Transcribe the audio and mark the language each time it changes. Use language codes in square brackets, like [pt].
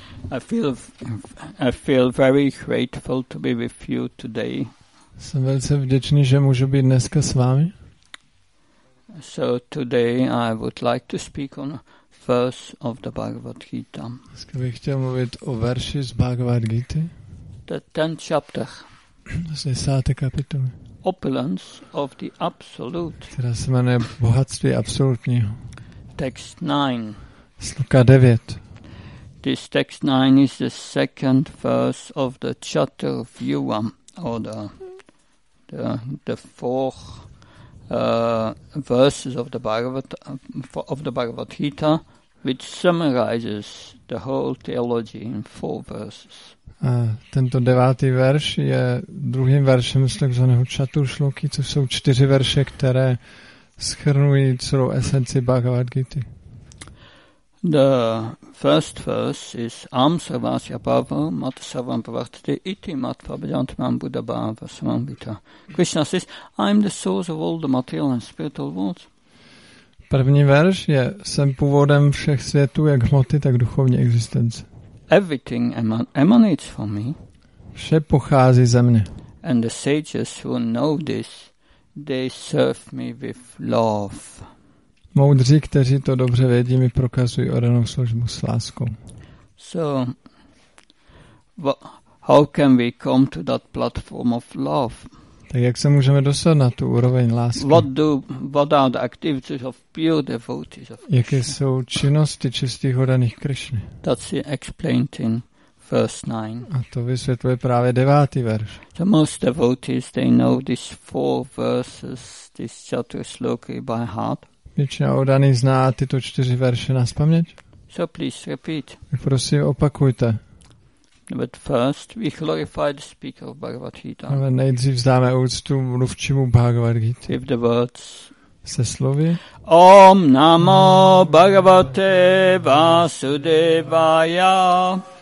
[en] I feel very grateful to be with you today. [cs] Jsem velice vděčný, že můžu být dneska s vámi. [en] So today I would like to speak on verse of the Bhagavad Gita. [cs] Dneska bych chtěl mluvit o verši z Bhagavad Gita. [en] The 10th chapter. [cs] Z 10. kapitoly. [en] Opulence of the Absolute. [cs] Která se jmenuje Bohatství absolutního. [en] Text 9. [cs] Sluka 9. [en] This text 9 is the second verse of the Chaturvyuha order. The fourth verses of the Bhagavad Gita, which summarizes the whole theology in four verses. [cs] A tento devátý verš je druhým veršem takzvaného Chaturshloki, což jsou čtyři verše, které shrnují celou esenci Bhagavad Gita. [en] The first verse is [sa] Am Sarvasya Bhava Mat Sarvam Pravartate Iti Mat Pabhyantamam Buddha Bhava Samambita. [en] Krishna says, I am the source of all the material and spiritual worlds. [cs] První verš je Jsem původem všech světů, jak hmoty, tak duchovní existence. [en] Everything emanates from me. [cs] Vše pochází ze mě. [en] And the sages who know this, they serve me with love. [cs] Moudří, kteří to dobře vědí, mi prokazují odanou službu s láskou. [en] So, how can we come to that platform of love? [cs] Tak jak se můžeme dostat na tu úroveň lásky? [en] What are the activities of pure devotees of Krishna? [cs] Jaké jsou činnosti čistých odaných Krishny? [en] That's explained in verse 9. [cs] A to vysvětluje právě devátý verš. [en] The most devotees, they know these four verses, this Chaturshloki by heart. [cs] Většina odaný zná tyto čtyři verše na spaměť. [en] So please repeat. [cs] Prosím, opakujte. [en] But first we glorify the speaker of Bhagavad Gita. [cs] Ale nejdřív vzdáme úctu mluvčímu Bhagavad Gita. [en] If the words. [cs] Se slovy. [sa] Om namo Bhagavate Vasudevaya.